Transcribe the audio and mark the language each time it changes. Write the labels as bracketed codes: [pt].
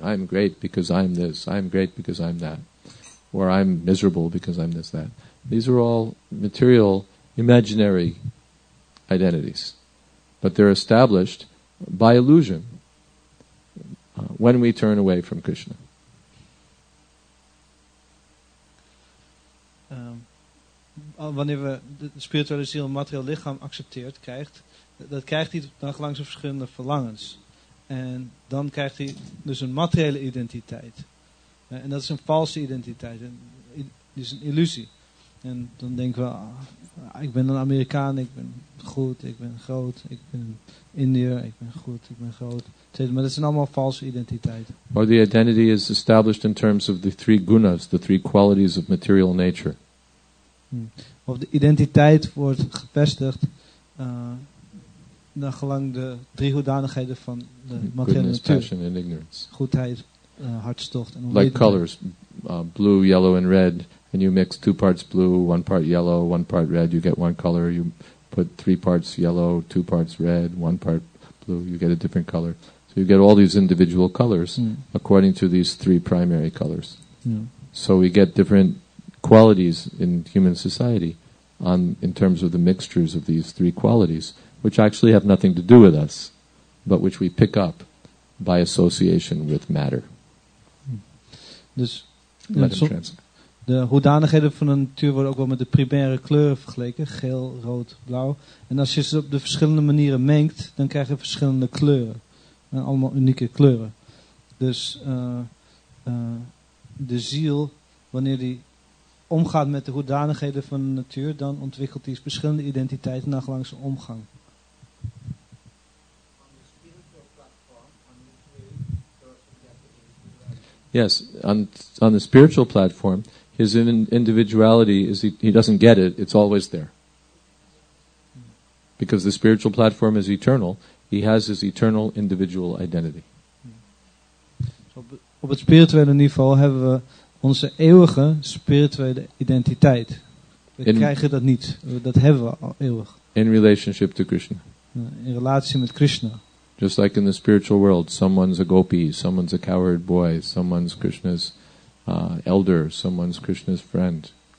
[en] I'm great because I'm this. I'm great because I'm that. Or I'm miserable because I'm this, that. These are all material, imaginary identities. But they're established by illusion when we turn away from Krishna. [nl] Wanneer we de spirituele ziel een materieel lichaam accepteert, krijgt, dat krijgt hij dan langs zijn verschillende verlangens. En dan krijgt hij dus een materiële identiteit. En dat is een valse identiteit. Het is een illusie. En dan denken we, ik ben een Amerikaan, ik ben goed, ik ben groot, ik ben een Indiër, ik ben goed, ik ben groot. Maar dat zijn allemaal valse identiteiten. [en] Or the identity is established in terms of the three gunas, the three qualities of material nature. [nl] Of de identiteit wordt gevestigd naar gelang de drie hoedanigheden van de materiële natuur. [en] Goodness, passion and ignorance. [nl] Goedheid, hartstocht en onwetendheid. [en] Like colors, blue, yellow and red. And you mix two parts blue, one part yellow, one part red. You get one color. You put three parts yellow, two parts red, one part blue. You get a different color. So you get all these individual colors according to these three primary colors. Yeah. So we get different qualities in human society on in terms of the mixtures of these three qualities, which actually have nothing to do with us, but which we pick up by association with matter. [nl] Dus de hoedanigheden van de natuur worden ook wel met de primaire kleuren vergeleken, geel, rood, blauw. En als je ze op de verschillende manieren mengt, dan krijg je verschillende kleuren. En allemaal unieke kleuren. Dus de ziel, wanneer die omgaat met de hoedanigheden van de natuur, dan ontwikkelt hij verschillende identiteiten naar gelang zijn omgang. [en] Yes, on the spiritual platform, his individuality is he doesn't get it, it's always there. Because the spiritual platform is eternal, he has his eternal individual identity. [nl] So, op het spirituele niveau hebben we onze eeuwige spirituele identiteit. We krijgen dat niet. Dat hebben we al eeuwig. [en] In relationship to Krishna. [nl] In relatie met Krishna. [en] Just like in the spiritual world, someone's a gopi, someone's a cowherd boy, someone's Krishna's elder, someone's Krishna's friend.